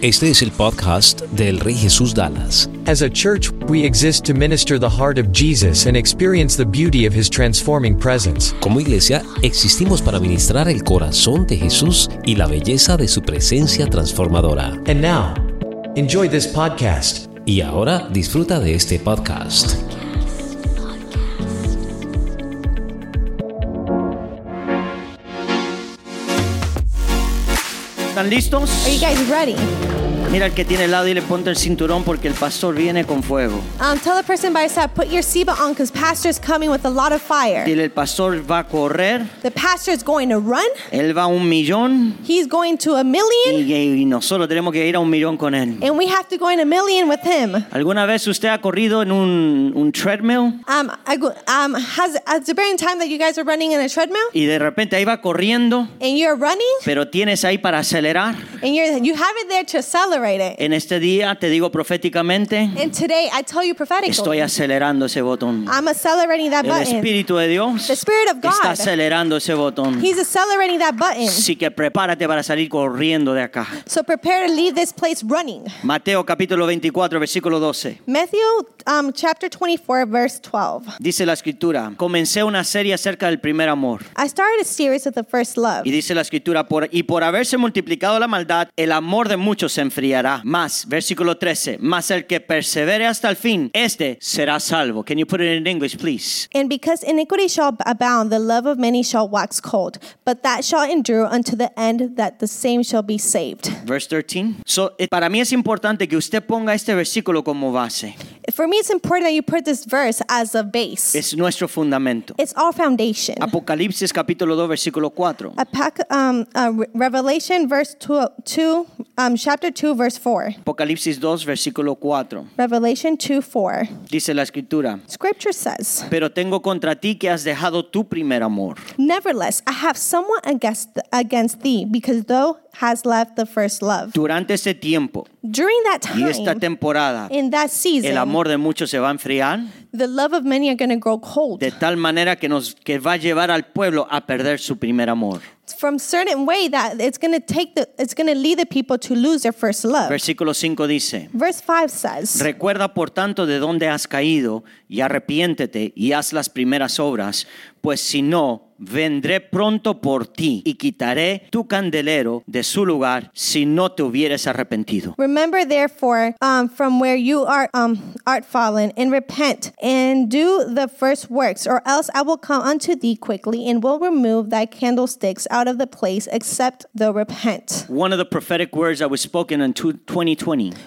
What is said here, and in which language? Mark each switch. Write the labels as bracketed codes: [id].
[es] Este es el podcast del Rey Jesús Dallas. [en] As a church, we exist to minister the heart of Jesus and experience the beauty of His transforming presence. [es] Como iglesia, existimos para ministrar el corazón de Jesús y la belleza de su presencia transformadora. [en] And now, enjoy this podcast. [es] Y ahora, disfruta de este podcast. ¿Están listos? [en] Are you guys ready? [es] Mira el que tiene al lado y le ponte el cinturón porque el pastor viene con fuego. [en] Tell the person by his side, put your seatbelt on because pastor is coming with a lot of fire. [es] Dile, el pastor va a correr. [en] The pastor is going to run. [es] Él va a un millón. [en] He's going to a million. [es] Y nosotros tenemos que ir a un millón con él. [en] And we have to go in a million with him. [es] ¿Alguna vez usted ha corrido en un treadmill? [en] Has there been time that you guys are running in a treadmill? [es] Y de repente ahí va corriendo. [en] And you're running. [es] Pero tienes ahí para acelerar. [en] And you have it there to accelerate. [es] En este día te digo proféticamente. [en] And today I tell you prophetically. [es] Estoy acelerando ese botón. [en] I'm accelerating that button. [es] El Espíritu de Dios. [en] The Spirit of God. [es] Está acelerando ese botón. [en] He's accelerating that button. [es] Así que prepárate para salir corriendo de acá. [en] So prepare to leave this place running. [es] Mateo capítulo 24 versículo 12. [en] Matthew chapter 24 verse 12. [es] Dice la Escritura. Comencé una serie acerca del primer amor. [en] I started a series of the first love. [es] Y dice la Escritura por haberse multiplicado la maldad, el amor de muchos se enfriará. Más, versículo 13, más el que persevere hasta el fin, este será salvo. [en] Can you put it in English, please? And because iniquity shall abound, the love of many shall wax cold, but that shall endure unto the end, that the same shall be saved. Verse 13. [es] So, para mí es importante que usted ponga este versículo como base. [en] For me, it's important that you put this verse as a base. [es] Es nuestro fundamento. [en] It's our foundation. [es] Apocalipsis capítulo 2, versículo 4. [en] Revelation verse 2, chapter 2, verse 4. [es] Apocalipsis 2, versículo 4. [en] Revelation 2, 4. [es] Dice la Escritura. [en] Scripture says. [es] Pero tengo contra ti que has dejado tu primer amor. [en] Nevertheless, I have somewhat against thee, because thou has left the first love. [es] Durante ese tiempo. [en] During that time. [es] Y esta temporada. [en] In that season. [es] El amor de muchos se va a enfriar. [en] The love of many are going to grow cold. [es] De tal manera que va a llevar al pueblo a perder su primer amor. [en] From certain way that it's going to lead the people to lose their first love. [es] Versículo 5 dice. [en] Verse 5 says. [es] Recuerda por tanto de dónde has caído y arrepiéntete y haz las primeras obras, pues si no, vendré pronto por ti y quitaré tu candelero de su lugar si no te hubieres arrepentido. [en] Remember therefore from where you are art fallen and repent and do the first works or else I will come unto thee quickly and will remove thy candlesticks out of the place except thou repent. One of the prophetic words that was spoken in 2020.